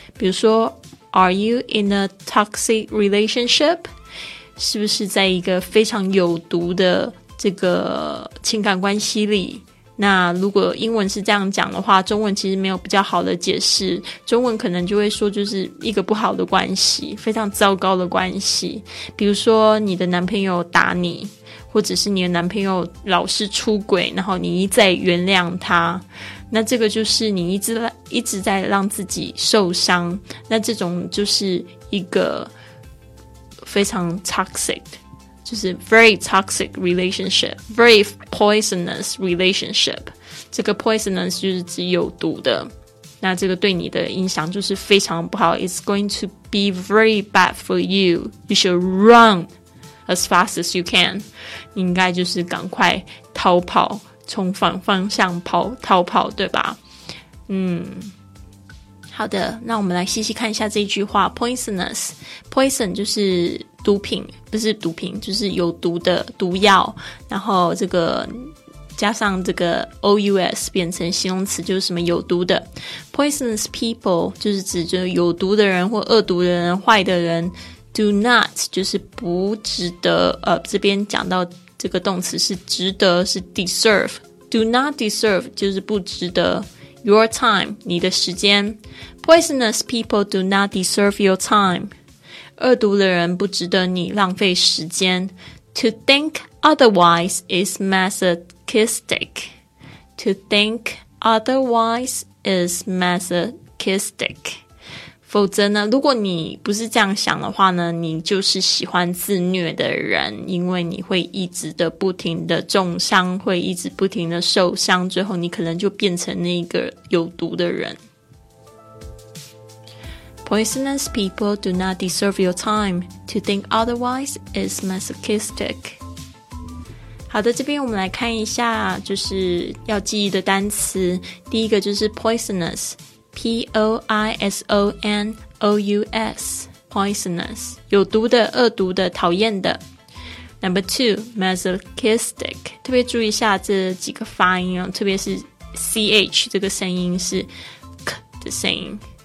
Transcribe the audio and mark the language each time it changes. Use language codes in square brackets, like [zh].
[zh] 比如说 [en] Are you in a toxic relationship? [zh] 是不是在一个非常有毒的这个情感关系里？那如果英文是这样讲的话，中文其实没有比较好的解释，中文可能就会说就是一个不好的关系，非常糟糕的关系。比如说你的男朋友打你，或者是你的男朋友老是出轨，然后你一再原谅他，那这个就是你一直在让自己受伤，那这种就是一个非常 toxic， 就是 [en] very toxic relationship， very poisonous relationship。 [zh] 这个 poisonous 就是指有毒的，那这个对你的影响就是非常不好。 [en] It's going to be very bad for you. You should run as fast as you can. [zh] 你应该就是赶快逃跑，从反方向跑，逃跑，对吧？好的，那我们来细细看一下这一句话。poisonous， poison 就是毒品，不是毒品，就是有毒的毒药，然后这个加上这个 ous 变成形容词，就是什么有毒的。 poisonous people 就是指就是有毒的人或恶毒的人、坏的人。 do not 就是不值得，这边讲到这个动词是值得，是 deserve。 [en] Do not deserve [zh] 就是不值得。 [en] Your time [zh] 你的时间。 [en] Poisonous people do not deserve your time. [zh] 恶毒的人不值得你浪费时间。 [en] To think otherwise is masochistic. To think otherwise is masochistic. [zh] 否则呢，如果你不是这样想的话呢，你就是喜欢自虐的人，因为你会一直的不停的重伤，会一直不停的受伤，最后你可能就变成那个有毒的人。 [en] Poisonous people do not deserve your time. To think otherwise is masochistic. [zh] 好的，这边我们来看一下就是要记忆的单词。第一个就是 poisonousPoisonous, poisonous, 有毒的、恶毒的、讨厌的。 [en] Number two, [zh] masochistic, 特别注意一下这几个发音哦，特别是 CH 这个声音是 K 的声音。